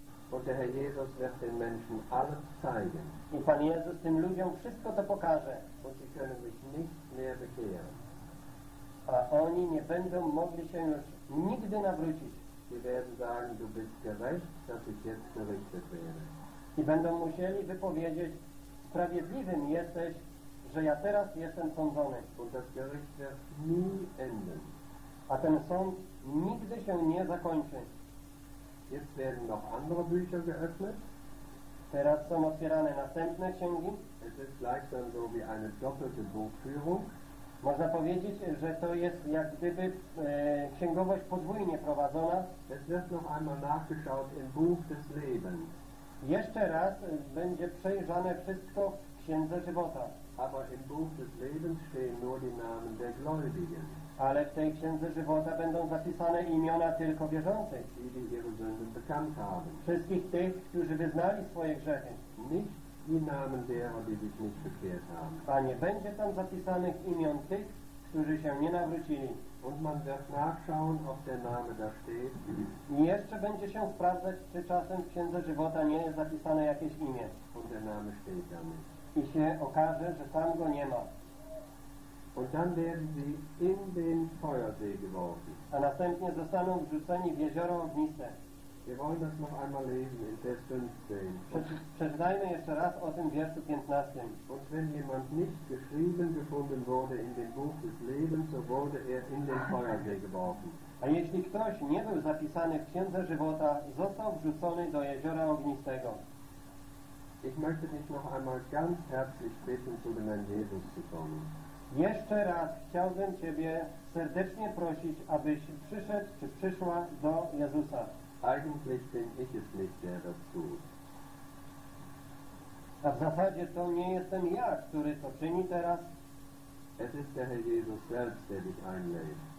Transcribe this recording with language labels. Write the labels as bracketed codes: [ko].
[de] Und der Herr Jesus wird den Menschen alles zeigen. [pl] I Pan Jezus tym ludziom wszystko to pokaże. [de] Und sie können sich nicht mehr bekehren. [pl] A oni nie będą mogli się już nigdy nawrócić. [de] Sie werden sagen, du bist gerecht, dass ich jetzt gerichtet werde. [pl] I będą musieli wypowiedzieć, sprawiedliwym jesteś, że ja teraz jestem sądzony. [de] Und das Gericht wird nie enden. [pl] A ten sąd nigdy się nie zakończy. [de] Jetzt werden noch andere Bücher geöffnet. [pl] Teraz są otwierane następne księgi. [de] Es ist gleichsam so wie eine doppelte Buchführung. [pl] Można powiedzieć, że to jest jak gdyby księgowość podwójnie prowadzona. [de] Es wird noch einmal nachgeschaut im Buch des Lebens. [pl] Jeszcze raz będzie przejrzane wszystko w Księdze Żywota. [de] Aber im Buch des Lebens stehen nur die Namen der Gläubigen. [pl] Ale w tej Księdze Żywota będą zapisane imiona tylko wierzących. [de] Die die ihre Sünden bekannt haben. [pl] Wszystkich tych, którzy wyznali swoje grzechy. [de] Nicht die Namen derer, die sich nicht bekehrt haben. [pl] A nie będzie tam zapisanych imion tych, którzy się nie nawrócili. [de] Und man wird nachschauen, ob der Name da steht. [pl] I jeszcze będzie się sprawdzać, czy czasem w Księdze Żywota nie jest zapisane jakieś imię. [de] Und der Name steht da nicht. [pl] I się okaże, że tam go nie ma. [de] Und dann werden sie in den Feuersee geworfen. [pl] A następnie zostaną wrzuceni w jezioro ognisce. [de] Wir wollen das noch einmal lesen in Vers 15. [pl] Przeczytajmy jeszcze raz o tym wierszu 15. [de] Und wenn jemand nicht geschrieben gefunden wurde in dem Buch des Lebens, so wurde in den Feuersee geworfen. [pl] A jeśli ktoś nie był zapisany w Księdze Żywota, został wrzucony do jeziora ognistego. [de] Ich möchte dich noch einmal ganz herzlich bitten, zu dem Herrn Jesus zu kommen. [pl] Jeszcze raz chciałbym Ciebie serdecznie prosić, abyś przyszedł czy przyszła do Jezusa. [de] Eigentlich bin ich es nicht, der das tut. [pl] A w zasadzie to nie jestem ja, który to czyni teraz. [de] Es ist der Herr Jesus selbst, der dich einlädt.